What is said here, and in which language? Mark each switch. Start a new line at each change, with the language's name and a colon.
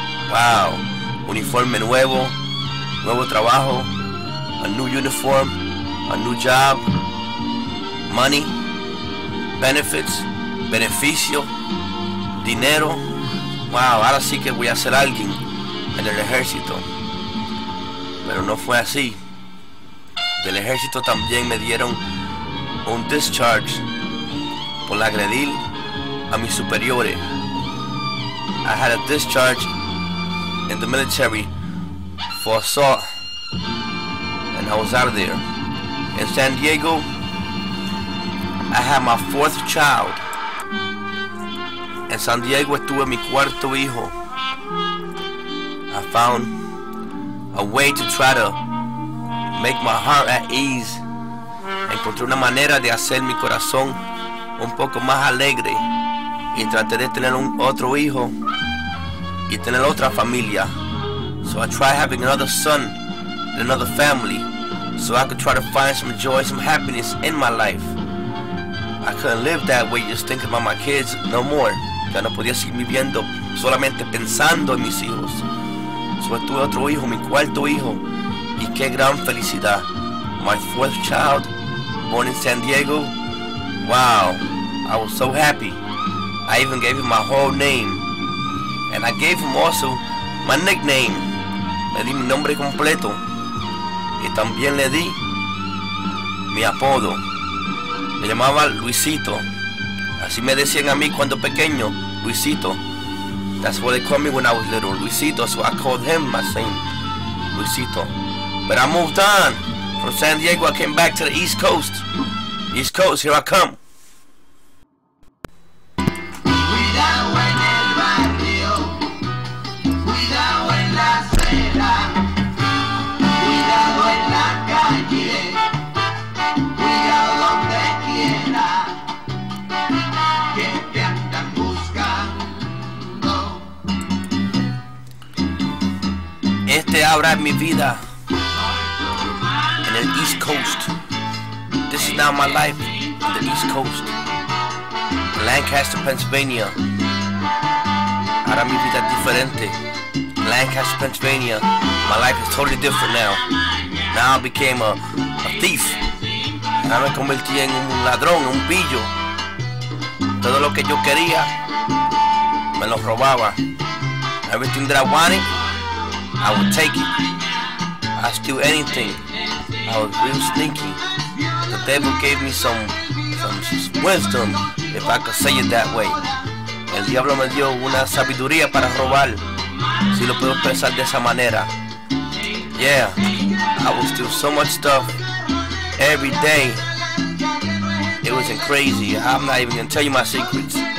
English: Wow.
Spanish: Uniforme nuevo. Nuevo trabajo.
English: A new uniform. A new job. Money. Benefits.
Spanish: Beneficio. Dinero.
English: Wow.
Spanish: Ahora sí que voy a ser alguien en el ejército. Pero no fue así. Del ejército también me dieron un discharge por agredir a mis superiores.
English: I had a discharge in the military for assault, and I was out of there. In San Diego, I had my fourth child.
Spanish: En San Diego estuve mi cuarto hijo.
English: I found a way to try to make my heart at ease.
Spanish: Encontré una manera de hacer mi corazón un poco más alegre. Y traté de tener un otro hijo y tener otra familia.
English: So I tried having another son and another family so I could try to find some joy, some happiness in my life. I couldn't live that way just thinking about my kids no more.
Spanish: Ya no podía seguir viviendo solamente pensando en mis hijos.
English: So I
Spanish: tuve otro hijo, mi cuarto hijo. Y qué gran felicidad.
English: My fourth child, born in San Diego. Wow, I was so happy. I even gave him my whole name. And I gave him also my nickname.
Spanish: Le di mi nombre completo. Y también le di mi apodo. Me llamaba Luisito. Así me decían a mí cuando pequeño, Luisito.
English: That's what they called me when I was little, Luisito. So I called him my same, Luisito. But I moved on. From San Diego, I came back to the East Coast. East Coast, here I come.
Spanish: Ahora en mi vida en el East Coast.
English: This is now my life in the East Coast, in Lancaster, Pennsylvania.
Spanish: Ahora mi vida es diferente.
English: In Lancaster, Pennsylvania, my life is totally different now. Now I became a thief.
Spanish: Ahora me convertí en un ladrón, un pillo. Todo lo que yo quería me lo robaba.
English: Everything that I wanted, I would take it. I'd steal anything. I was real stinky. The devil gave me some wisdom, if I could say it that way.
Spanish: El diablo me dio una sabiduría para robar, si lo puedo expresar de esa manera.
English: Yeah, I would steal so much stuff every day. It was crazy. I'm not even gonna tell you my secrets.